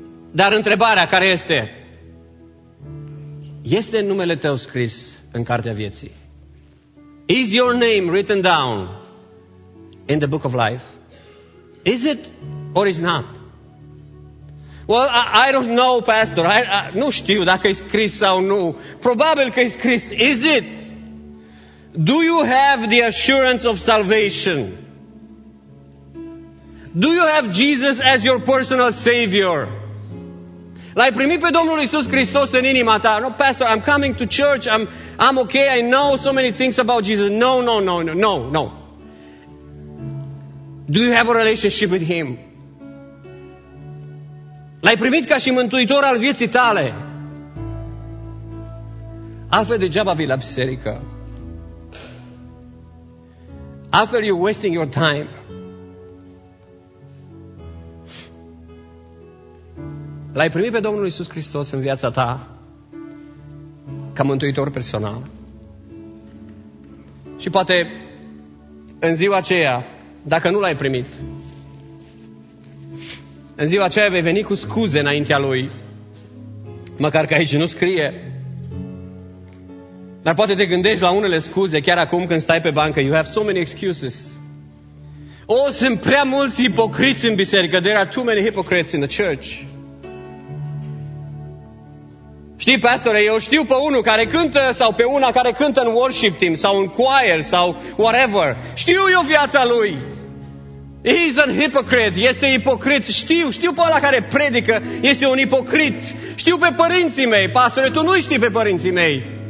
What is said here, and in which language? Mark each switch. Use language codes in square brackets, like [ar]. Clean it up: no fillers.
[ro] Dar întrebarea care este? Este numele tău scris în cartea vieții? [en] Is your name written down in the book of life? Is it or is not? Well, I don't know, pastor. [ro] Nu știu dacă e scris sau nu. Probabil că e scris. [en] Is it? Do you have the assurance of salvation? Do you have Jesus as your personal savior? [ro] L-ai primit pe Domnul Iisus Hristos în inima ta? [en] No, pastor, I'm coming to church. I'm okay. I know so many things about Jesus. No. Do you have a relationship with him? [ro] L-ai primit ca și mântuitor al vieții tale? Altfel degeaba vii la biserică. Altfel [en] you're wasting your time. [ro] L-ai primit pe Domnul Iisus Hristos în viața ta ca mântuitor personal? Și poate în ziua aceea, dacă nu l-ai primit, în ziua aceea vei veni cu scuze înaintea lui, măcar că aici nu scrie. Dar poate te gândești la unele scuze chiar acum când stai pe bancă. [en] You have so many excuses. [ro] Oh, sunt prea mulți ipocriți în biserică. [en] There are too many hypocrites in the church. [ro] Știi, pastore, eu știu pe unul care cântă sau pe una care cântă în [en] worship team [ro] sau în [en] choir [ro] sau [en] whatever. [ro] Știu eu viața lui. [en] He's a hypocrite, [ro] este ipocrit. Știu pe ăla care predică, este un ipocrit. Știu pe părinții mei, pastore, tu nu știi pe părinții mei.